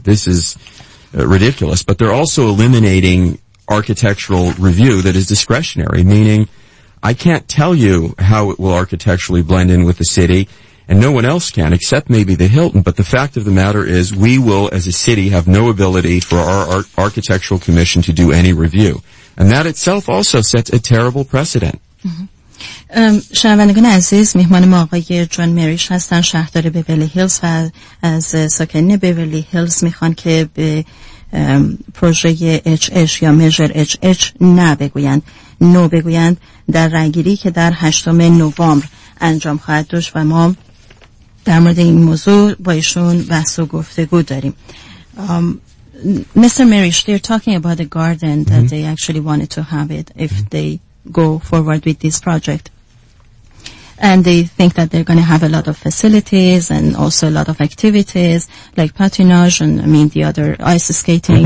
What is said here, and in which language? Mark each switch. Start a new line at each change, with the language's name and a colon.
English: This is ridiculous. But they're also eliminating architectural review that is discretionary, meaning I can't tell you how it will architecturally blend in with the city, and no one else can, except maybe the Hilton. But the fact of the matter is we will, as a city, have no ability for our architectural commission to do any review. And that itself also sets a terrible precedent.
Persian: شنوندگان عزیز، مهمان ما آقای جان مریش هستن، شهردار بیولی هیلز، و از ساکنین بیولی هیلز میخوان که به پروژه HH یا میجر HH نو بگویند در رأی‌گیری که در 8 نوامبر انجام خواهد داشت، و ما در مورد این موضوع با ایشون بحث و گفتگو داریم.
English: Mr. Marish, they're talking about the garden that they actually wanted to have it if they go forward with this project, and they think that they're going to have a lot of facilities and also a lot of activities like patinage and, I mean, the other ice skating.